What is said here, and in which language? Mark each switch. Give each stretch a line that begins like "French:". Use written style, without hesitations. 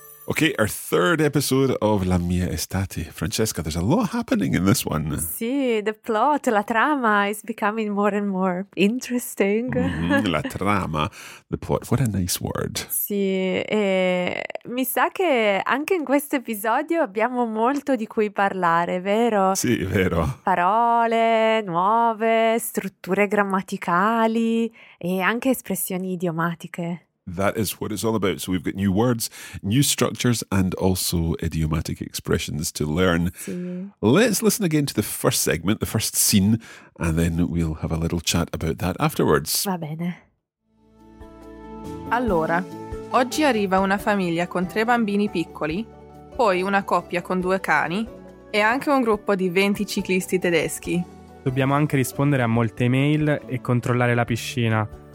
English: Okay, our third episode of La Mia Estate. Francesca, there's a lot happening in this one. Sì, the plot,
Italian: la trama
English: is becoming more and more interesting. Mm-hmm,
Italian: la trama,
English: the plot, what a nice word.
Italian: Sì, e mi sa che anche in questo episodio abbiamo molto di cui parlare, vero? Sì, vero. Parole nuove, strutture grammaticali e anche espressioni idiomatiche.
English: That is what it's all about. So we've got new words, new structures, and also idiomatic expressions to learn.
Italian: Sì.
English: Let's listen again to the first segment, the first scene, and then we'll have a little chat about that afterwards.
Italian: Va bene. Allora, oggi arriva una famiglia con tre bambini piccoli, poi una coppia con due cani e anche un gruppo di 20 ciclisti tedeschi. Dobbiamo anche rispondere a molte email e controllare la piscina.